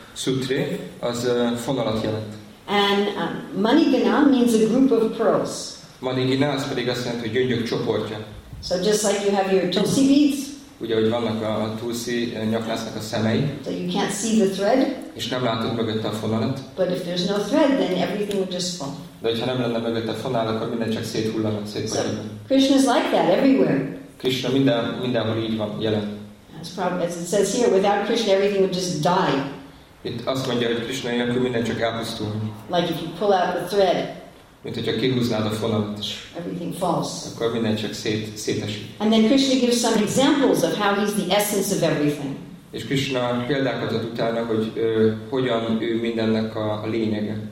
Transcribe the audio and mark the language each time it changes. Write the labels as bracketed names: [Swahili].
[Hungarian] Sutre az fonalat jelent. [English] And manigana means a group of pearls. [Hungarian] Manigana az pedig azt jelenti, hogy gyöngyök csoportja. [English] So just like you have your tulsi beads. [Hungarian] Ugye, hogy vannak a tulsi nyaklásznak a szemei. [English] So you can't see the thread. [Hungarian] És nem látod mögötte a fonalat. [English] But if there's no thread, then everything would just fall. [Hungarian] De hogyha nem lenne mögötte a fonal, akkor minden csak széthullana, szétpörögne. [English] So, Krishna's like that everywhere. [Hungarian] Krishna mindenhol így van, jelen. [English] As it says here, without Krishna everything would just die. [Hungarian] Itt azt mondja, hogy Krishna nélkül minden csak elpusztul. [English] Like if you pull out the thread. [Hungarian] Mint hogyha kihúznád a fonalat. [English] Everything falls. [Hungarian] Akkor minden csak szétesik. [English] And then Krishna gives some examples of how he's the essence of everything. [Hungarian] És Krishna példákat ad utána, hogy hogyan ő mindennek a lényege.